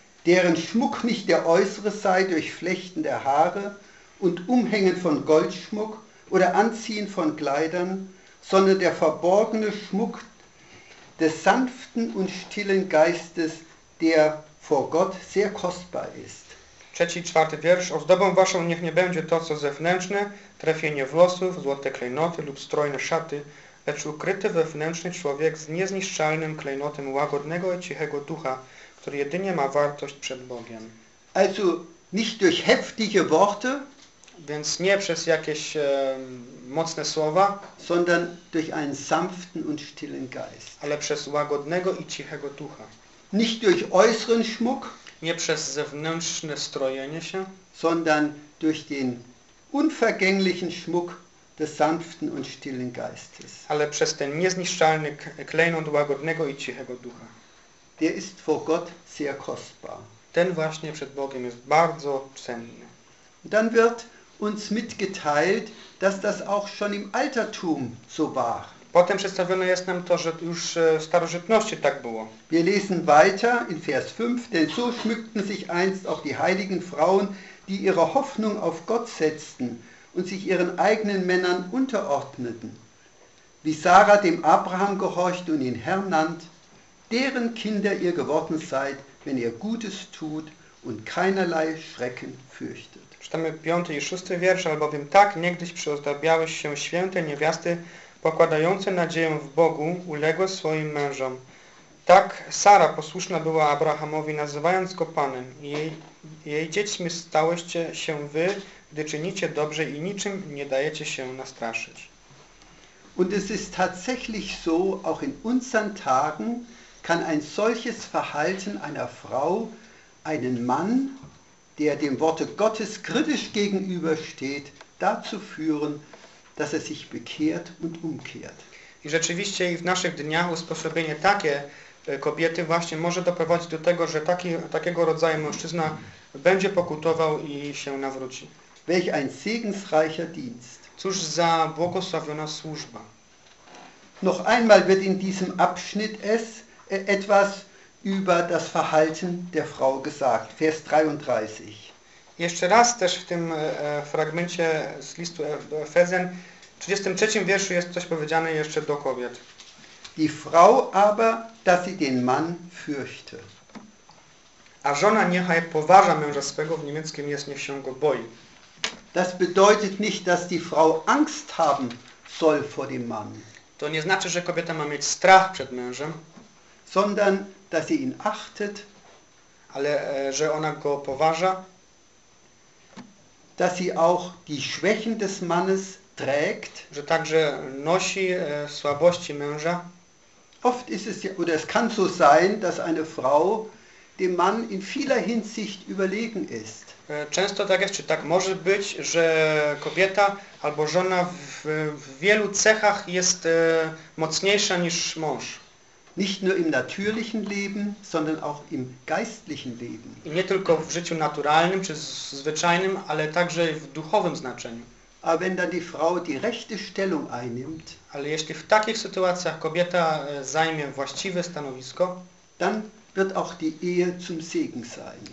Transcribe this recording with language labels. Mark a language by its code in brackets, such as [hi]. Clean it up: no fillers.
[de] Deren Schmuck nicht der äußere sei durch Flechten der Haare und Umhängen von Goldschmuck oder Anziehen von Kleidern, sondern der verborgene Schmuck des sanften und stillen Geistes, der vor Gott sehr kostbar ist. [pl] Trzeci, czwarty wiersz. Ozdobą waszą niech nie będzie to, co zewnętrzne, trefienie włosów, złote klejnoty lub strojne szaty, lecz ukryty wewnętrzny człowiek z niezniszczalnym klejnotem łagodnego i cichego ducha, który jedynie ma wartość przed Bogiem. [de] Also nicht durch heftige Worte, [pl] więc nie przez jakieś mocne słowa, [de] sondern durch einen sanften und stillen Geist, [pl] ale przez łagodnego i cichego ducha. [de] Nicht durch äußeren Schmuck, [pl] nie przez zewnętrzne strojenie się, [de] sondern durch den unvergänglichen Schmuck des sanften und stillen Geistes, [pl] ale przez ten niezniszczalny klejnot łagodnego i cichego ducha. [de] Der ist vor Gott sehr kostbar, [pl] ten właśnie przed Bogiem jest bardzo cenny. [de] Dann wird uns mitgeteilt, dass das auch schon im Altertum so war. [pl] Potem przedstawione jest nam to, że już w starożytności tak było. [de] Wir lesen weiter in Vers 5, denn so schmückten sich einst auch die heiligen Frauen, die ihre Hoffnung auf Gott setzten und sich ihren eigenen Männern unterordneten. Wie Sarah dem Abraham gehorchte und ihn Herr nannt, deren Kinder ihr geworden seid, wenn ihr Gutes tut und keinerlei Schrecken fürchtet. [pl] Czytamy piąty i szósty wiersz, albowiem tak niegdyś przyozdabiały się święte niewiasty, pokładające nadzieję w Bogu, uległe swoim mężom. Tak Sara posłuszna była Abrahamowi, nazywając go Panem. Jej dziećmi stałyście się wy, gdy czynicie dobrze i niczym nie dajecie się nastraszyć. [de] Und es ist tatsächlich so, auch in unseren Tagen kann ein solches Verhalten einer Frau einen Mann, der dem Worte Gottes kritisch gegenübersteht, dazu führen, dass er sich bekehrt und umkehrt. [pl] I rzeczywiście i w naszych dniach usposobienie takie kobiety właśnie może doprowadzić do tego, że takiego rodzaju mężczyzna będzie pokutował i się nawróci. [de] Welch ein segensreicher Dienst. [pl] Cóż za błogosławiona służba. [de] Noch einmal wird in diesem Abschnitt es etwas über das Verhalten der Frau gesagt. Vers 33. [pl] Jeszcze raz też w tym fragmencie z listu do Efezjan, w 33 wierszu jest coś powiedziane jeszcze do kobiet. [de] Die Frau aber, dass sie den Mann fürchte. [pl] A żona niechaj poważa męża swego, w niemieckim jest, niech się go boi. [de] Das bedeutet nicht, dass die Frau Angst haben soll vor dem Mann. [pl] To nie znaczy, że kobieta ma mieć strach przed mężem, [de] sondern dass sie ihn achtet, [pl] ale że ona go poważa, [de] dass sie auch die Schwächen des Mannes trägt, [pl] że także nosi słabości męża. [de] Oft ist es ja, oder es kann so sein, dass eine Frau dem Mann in vieler Hinsicht überlegen ist. [pl] Często tak jest, czy tak może być, że kobieta albo żona w wielu cechach jest mocniejsza niż mąż. [de] Nicht nur im natürlichen Leben, sondern auch im geistlichen Leben. [pl] I nie tylko w życiu naturalnym czy zwyczajnym, ale także w duchowym znaczeniu. [de] Aber wenn dann die Frau die rechte Stellung einnimmt, [pl] ale jeśli w takich sytuacjach kobieta zajmie właściwe stanowisko, [de] dann wird auch die Ehe zum Segen sein.